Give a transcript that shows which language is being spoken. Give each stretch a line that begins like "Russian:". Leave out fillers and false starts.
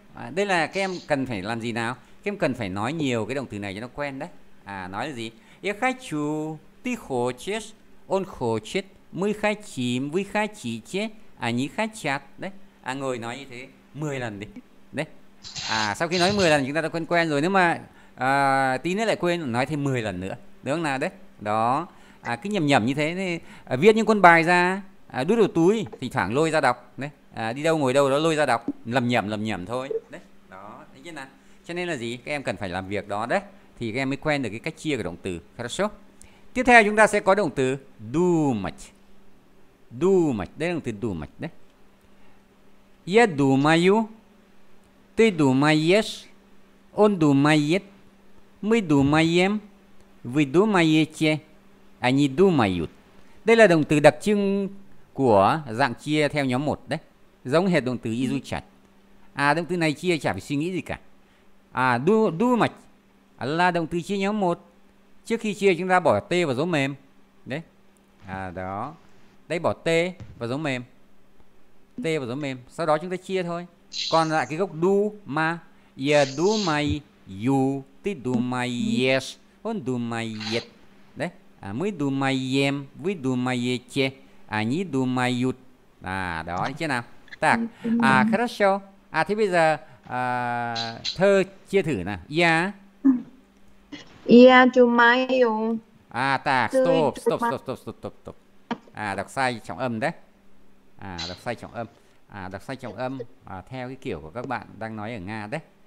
Vietnamese: À, đây là các em cần phải làm gì nào? Các em cần phải nói nhiều cái động từ này cho nó quen đấy. À nói là gì?
Russian: Я хочу, ты хочешь, он хочет, мы хотим, вы хотите, они хотят.
Vietnamese: Đấy. À ngồi nói như thế 10 lần đi. Đấy. À sau khi nói 10 lần chúng ta đã quen quen rồi. Nếu mà tí nữa lại quên nói thêm 10 lần nữa. Đúng không nào? Đấy. Đó. À cứ nhẩm nhẩm như thế thì viết những cuốn bài ra, đút vào túi, thỉnh thoảng lôi ra đọc. Đấy. À, đi đâu ngồi đâu đó lôi ra đọc lầm nhầm thôi đấy đó thấy chưa nào. Cho nên là gì, các em cần phải làm việc đó đấy thì các em mới quen được cái cách chia của động từ.
Russian: Хорошо.
Vietnamese: Tiếp theo chúng ta sẽ có động từ думать. Думать đây là động từ думать đấy.
Russian: Я думаю, ты думаешь, он думает, мы думаем, вы думаете, они думают.
Vietnamese: Đây là động từ đặc trưng của dạng chia theo nhóm một đấy. Giống hệt động từ изучать. À động từ này chia chả phải suy nghĩ gì cả. À думать là động từ chia nhóm 1. Trước khi chia chúng ta bỏ T và dấu mềm. Đấy. À đó. Đây bỏ T và dấu mềm. T và dấu mềm. Sau đó chúng ta chia thôi. Còn lại cái gốc do mà.
Russian: Я думаю, ты думаешь, он думает.
Vietnamese: Đấy.
Russian: À мы думаем, вы думаете, они думают.
Vietnamese: À đó, thấy chưa nào?
Russian: Так.
Vietnamese: À,
Russian: хорошо.
Vietnamese: À thế bây giờ thơ chia thử nào.
Russian: Я. Я думаю.
Vietnamese: À, так.
English: Stop, stop, stop, stop, stop, stop, stop.
Vietnamese: À, đọc sai trọng âm đấy. À, đọc sai trọng âm. À, đọc sai trọng âm theo cái kiểu của các bạn đang nói ở Nga đấy.